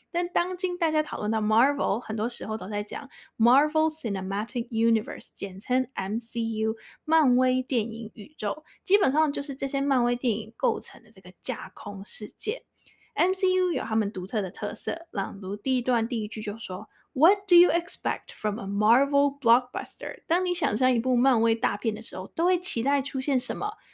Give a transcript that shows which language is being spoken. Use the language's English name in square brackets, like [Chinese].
[Chinese] 但当今大家讨论到 Marvel, 很多时候都在讲 Marvel Cinematic Universe, 简称 MCU, 漫威电影宇宙。基本上就是这些漫威电影构成的这个架空世界。MCU 有他们独特的特色，朗读第一段第一句就说 [English] What do you expect from a Marvel blockbuster? [Chinese] 当你想象一部漫威大片的时候，都会期待出现什么？